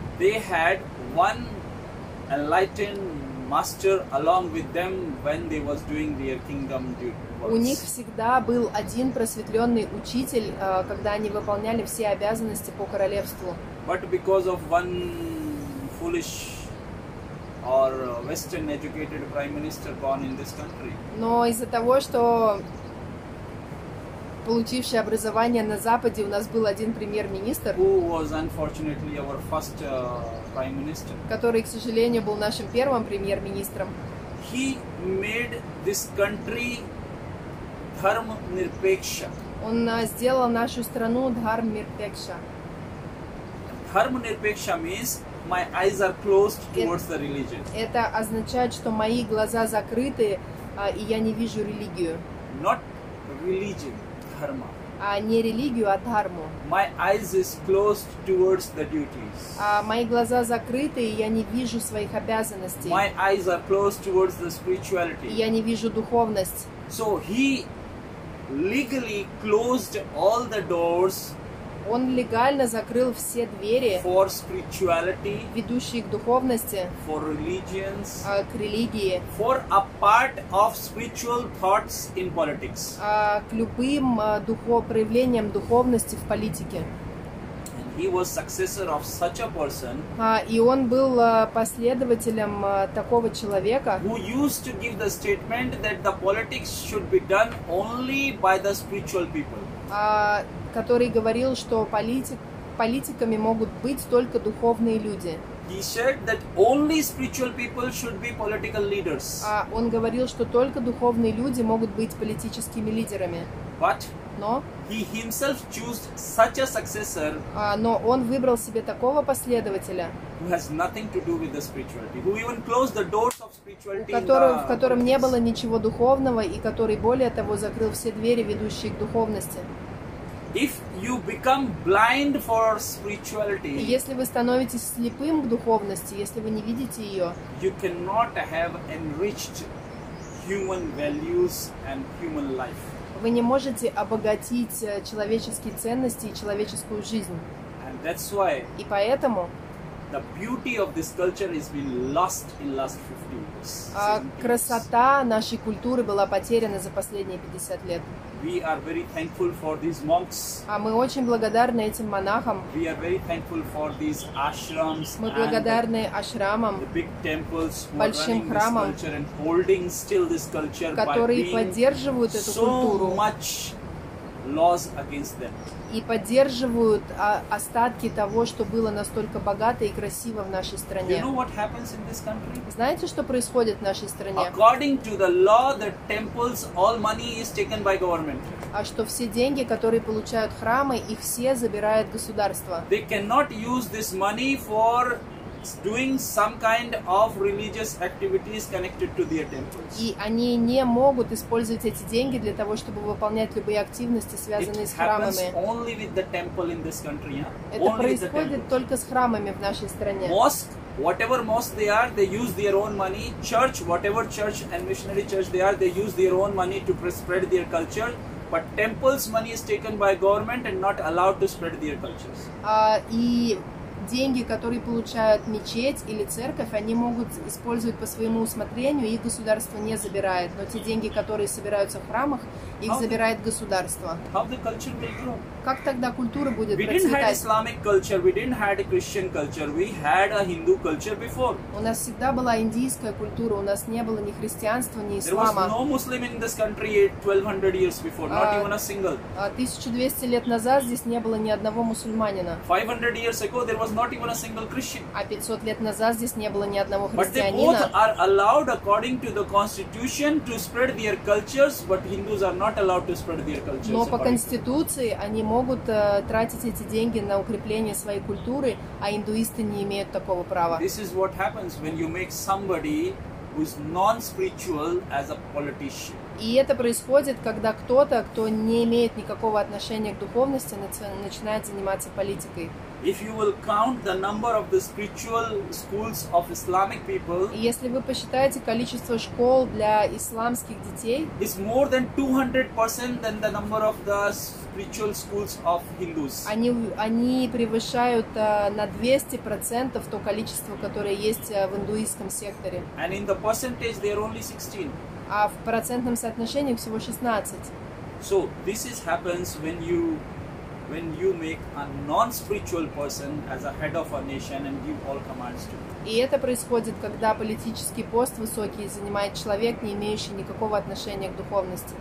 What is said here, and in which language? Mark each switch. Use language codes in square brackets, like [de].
[en] they had one enlightened master along with them when they was doing their kingdom duty. [ru] У них всегда был один просветленный учитель, когда они выполняли все обязанности по королевству. [en] But because of one foolish or Western educated prime minister born in this country. [ru] Но из-за того, что получивший образование на Западе, у нас был один премьер-министр, [en] who was unfortunately our first prime minister, [ru] который, к сожалению, был нашим первым премьер-министром. [en] He made this country dharma-nirpeksha. [ru] Он сделал нашу страну dharma-nirpeksha. [en] Dharma-nirpeksha means my eyes are closed towards the religion. [ru] Это означает, что мои глаза закрыты, и я не вижу религию. [en] Not religion, dharma. [ru] А не религию, а дхарму. [en] My eyes is closed towards the duties. [ru] Мои глаза закрыты, и я не вижу своих обязанностей. [en] My eyes are closed towards the spirituality. [ru] И я не вижу духовность. [en] So he legally closed all the doors. [ru] Он легально закрыл все двери, [en] for spirituality, [ru] ведущие к духовности, [en] for religions, [ru] к религии, [en] for a part of spiritual thoughts in politics, [ru] к любым проявлениям духовности в политике. [en] And he was successor of such a person, [ru] и он был последователем такого человека, [en] who used to give the statement that the politics should be done only by the spiritual people. [ru] Который говорил, что политиками могут быть только духовные люди. [en] He said that only spiritual people should be political leaders. [ru] Он говорил, что только духовные люди могут быть политическими лидерами. [en] But [ru] но [en] he himself chose such a successor. [ru] Но он выбрал себе такого последователя, [en] who has nothing to do with the spirituality, who even closed the doors of spirituality. [ru] В котором не было ничего духовного и который более того закрыл все двери, ведущие к духовности. [en] If you become blind for spirituality, [ru] если вы становитесь слепым к духовности, если вы не видите ее, [en] you cannot have enriched human values and human life. [ru] Вы не можете обогатить человеческие ценности и человеческую жизнь. [en] And that's why, [ru] и поэтому, [en] the beauty of this culture has been lost in last 50 years. 70 years. [ru] Красота нашей культуры была потеряна за последние 50 лет. [en] We are very thankful for these monks. [ru] Мы очень благодарны этим монахам. [en] We are very thankful for these ashrams. [ru] Мы благодарны ашрамам. [en] The big temples, [ru] большим храмам, [en] culture and holding still this culture, [ru] которые поддерживают эту культуру. [en] So much laws against them. [ru] И поддерживают остатки того, что было настолько богато и красиво в нашей стране. [en] You know what happens in this country? [ru] Знаете, что происходит в нашей стране? [en] According to the law, the temples, all money is taken by government. [ru] А что все деньги, которые получают храмы, их все забирает государство. [en] They cannot use this money for doing some kind of religious activities connected to their temples. [ru] И они не могут использовать эти деньги для того, чтобы выполнять любые активности, связанные [en] it [ru] с храмами. [en] Only with the temple in this country, yeah? [ru] Это [en] only [ru] происходит только с храмами в нашей стране. [en] Mosque, whatever mosque they are, they use their own money. Church, whatever church and missionary church they are, they use their own money to spread their culture. but temples money is taken by government and not allowed to spread their cultures. [ru] И деньги, которые получают мечеть или церковь, они могут использовать по своему усмотрению, их государство не забирает. Но те деньги, которые собираются в храмах, их забирает государство. [en] How the culture will grow? [ru] Как тогда культура будет процветать? [en] We didn't have Islamic culture, we didn't have Christian culture, we had a Hindu culture before. [ru] У нас всегда была индийская культура, у нас не было ни христианства, ни ислама. [en] There was no Muslim in this country 1200 years before, not even a single. [ru] 1200 лет назад здесь не было ни одного мусульманина. [en] 500 years ago there was not even a single Christian. [ru] А 500 лет назад здесь не было ни одного христианина. [en] But they both are allowed according to the constitution to spread their cultures, but Hindus are not allowed to spread their cultures. [ru] Но по конституции они могут тратить эти деньги на укрепление своей культуры, а индуисты не имеют такого права. [en] This is what happens when you make somebody who is non-spiritual as a politician. [ru] И это происходит, когда кто-то, кто не имеет никакого отношения к духовности, начинает заниматься политикой. [en] If you will count the number of the spiritual schools of Islamic people, [ru] если вы посчитаете количество школ для исламских детей, [en] it's more than 200% than the number of the spiritual schools of Hindus. [ru] Они превышают на 200% то количество, которое есть в индуистском секторе. [en] And in the percentage, they are only 16. [ru] А в процентном соотношении всего 16. [en] So this is happens when you make a non-spiritual person as a head of a nation and give all commands to him. [ru] И это происходит, когда политический пост высокий занимает человек, не имеющий никакого отношения к духовности.